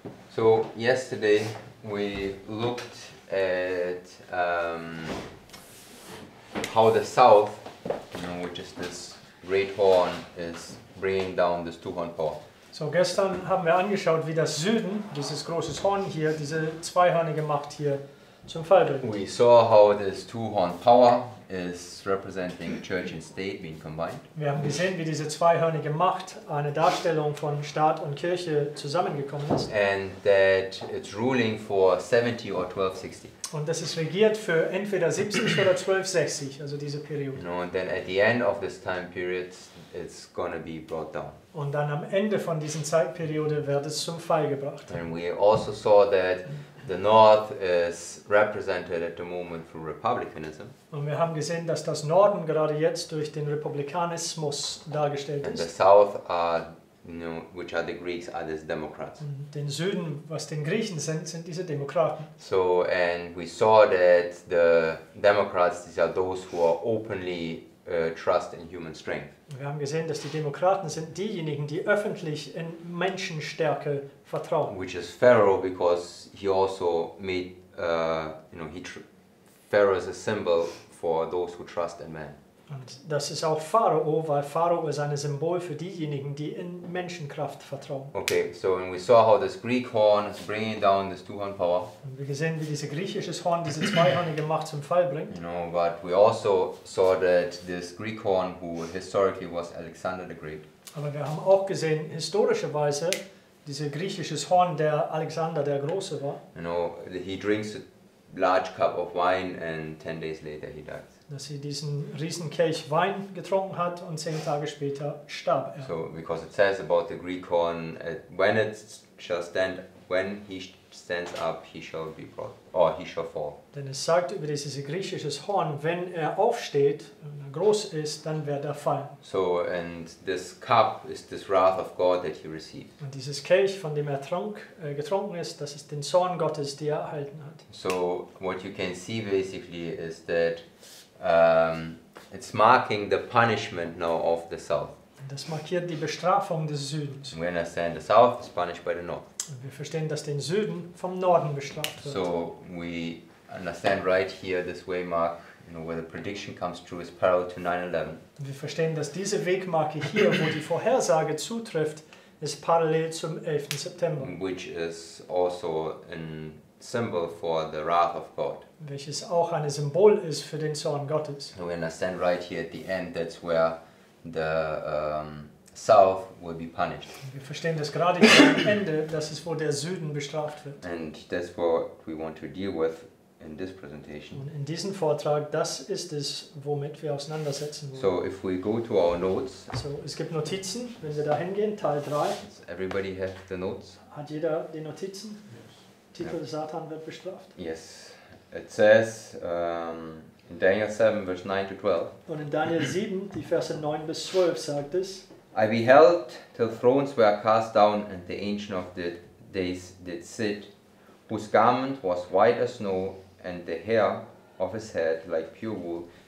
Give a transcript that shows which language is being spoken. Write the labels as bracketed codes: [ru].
[en] So yesterday we looked at how the south, which is this red horn, is bringing down this two-horn power. [de] So gestern haben wir angeschaut, wie das Süden, dieses große Horn hier, diese zweihörnige Macht hier zum Fall bringt. [en] We saw how this two-horn power is representing church and state being combined. [de] Wir haben gesehen, wie diese zweihörnige Macht eine Darstellung von Staat und Kirche zusammengekommen ist. [en] And that it's ruling for 70 or 1260. [de] Und das ist regiert für entweder 70 oder 1260, also diese Periode. [en] No, and then at the end of this time period, it's gonna be brought down. [de] Und dann am Ende von dieser Zeitperiode wird es zum Fall gebracht. [en] And we also saw that the North is represented at the moment through Republicanism. [de] Und wir haben gesehen, dass das Norden gerade jetzt durch den Republikanismus dargestellt ist. [en] And the South are, which are the Greeks, are these Democrats. [de] Und den Süden, was den Griechen sind, sind diese Demokraten. [en] So, and we saw that the Democrats, these are those who are openly trust in human strength. [de] Wir haben gesehen, dass die Demokraten sind diejenigen, die öffentlich in Menschenstärke vertrauen. [en] Which is Pharaoh, because he also made, Pharaoh is a symbol for those who trust in man. [de] Und das ist auch Pharao, weil Pharao ist ein Symbol für diejenigen, die in Menschenkraft vertrauen. [en] Okay, so when we saw how this Greek horn is bringing down this two-horn power. [de] Und wir gesehen, wie dieses griechische Horn diese zweihörnige Macht zum Fall bringt. [en] But we also saw that this Greek horn, who historically was Alexander the Great. [de] Aber wir haben auch gesehen, historischerweise, dieses griechische Horn, der Alexander der Große war. [en] He drinks a large cup of wine and 10 days later he dies. [de] Dass sie diesen Riesenkelch Wein getrunken hat und 10 Tage später starb er. [en] So, because it says about the Greek horn, when it shall stand, when he stands up, he shall be brought, or he shall fall. [de] Denn es sagt über dieses griechische Horn, wenn er aufsteht, wenn er groß ist, dann wird er fallen. [en] So, and this cup is this wrath of God that he received. [de] Und dieses Kelch, von dem er getrunken ist, das ist den Zorn Gottes, die er erhalten hat. [en] So, what you can see basically is that it's marking the punishment now of the south. [de] Das markiert die Bestrafung des Südens. [en] We understand the south is punished by the north. [de] Und wir verstehen, dass den Süden vom Norden bestraft wird. [en] So we understand right here this way mark, where the prediction comes true is parallel to 9/11. [de] Und wir verstehen, dass diese Wegmarke hier, wo die Vorhersage zutrifft, ist parallel zum 11. September. [en] Which is also in symbol for the wrath of God. [de] Welches auch ein Symbol ist für den Zorn Gottes. [en] And we understand right here at the end that's where the south will be punished. [de] Wir verstehen das gerade hier am Ende, das ist wo der Süden bestraft wird. [en] And that's what we want to deal with in this presentation. [de] Und in diesem Vortrag, das ist es, womit wir auseinandersetzen wollen. [en] So if we go to our notes. [de] So es gibt Notizen, wenn wir da hingehen, Teil 3. [en] Does everybody have the notes? [de] Hat jeder die Notizen? Titel yeah. Satan wird bestraft. [en] Yes. It says in Daniel 7, verse 9 to 12. [de] Und in Daniel 7, die Verse 9 bis 12 sagt es. [en] I beheld till thrones were cast down and the ancient of the days did sit, whose garment was white as snow and the hair of his head like pure wool.